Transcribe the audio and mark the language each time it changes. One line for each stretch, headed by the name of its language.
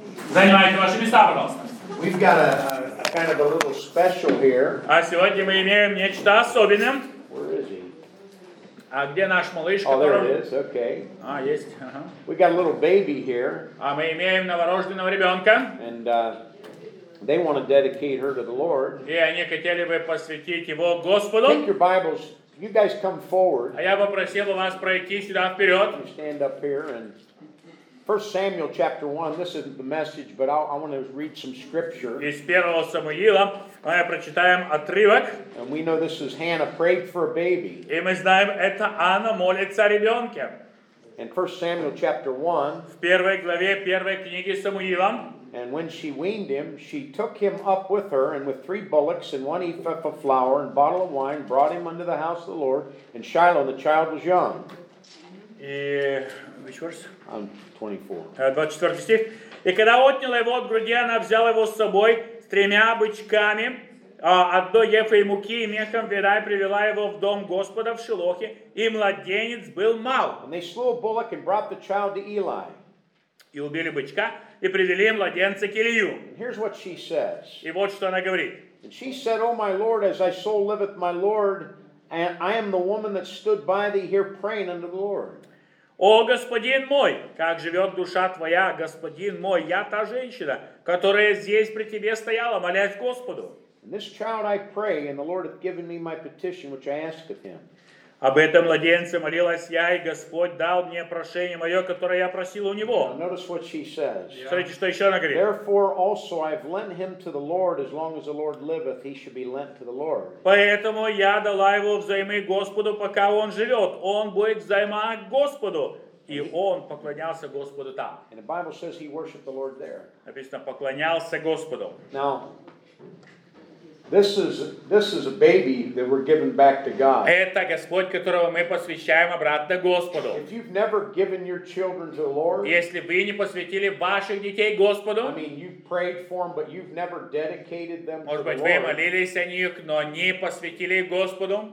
Russian: Занимаете ваши места, пожалуйста.
English: We've got a kind of a little special here.
Russian: А сегодня мы имеем нечто особенное.
English: Where is he?
Russian: А где наш малыш?
English: Oh, there it is. Okay.
Russian: А, есть. Uh-huh.
English: We got a little baby here.
Russian: А мы имеем новорожденного ребенка.
English: And they want to dedicate her to the Lord.
Russian: И они хотели бы посвятить его Господу.
English: Take your Bibles. You guys come forward.
Russian: А я попросил бы вас пройти сюда вперед.
English: You stand up here and 1 Samuel chapter 1. This isn't the message, but I want to read some scripture.
Russian: Из первого Самуила мы прочитаем отрывок.
English: And we know this is Hannah prayed for a baby.
Russian: И мы знаем, это Анна молится о ребенке.
English: In 1 Samuel chapter 1.
Russian: В первой главе первой книги Самуила.
English: And when she weaned him, she took him up with her, and with three bullocks and one ephah of flour and a bottle of wine, brought him unto the house of the Lord. And Shiloh, the child, was young.
Russian: И когда отняла его от груди, она взяла его с собой с тремя бычками, одной ефой муки и мехом вина, и привела его в дом Господа в Шилохе, и младенец был мал.
English: And they slew a bullock and brought the child to Eli.
Russian: И убили бычка, и привели младенца к Илью.
English: And here's what she says.
Russian: И вот что она говорит.
English: And she said, O my Lord, as thy soul liveth, my Lord, and I am the woman that stood by thee here praying unto the Lord.
Russian: О, Господин мой, как живет душа твоя, Господин мой, я та женщина, которая здесь при тебе стояла, молясь Господу. Об этом младенце молилась я, и Господь дал мне прошение мое, которое я просил у него. Смотрите, что еще она говорит.
English: Therefore also I've lent him to the Lord, as long as the Lord liveth, he should be lent to the Lord.
Russian: Поэтому я дала его взаймы Господу, пока он живет. Он будет взаймы Господу. И он поклонялся Господу там.
English: And the Bible says he worshiped the Lord there.
Russian: Написано, поклонялся Господу.
English: Now, This is a baby that we're giving back to God.
Russian: Это Господь, которого мы посвящаем обратно Господу.
English: If you've never given your children to the Lord,
Russian: если вы не посвятили ваших детей Господу,
English: I mean, you've prayed for them, but you've never dedicated them to the Lord.
Russian: Может быть, вы молились о них, но не посвятили Господу.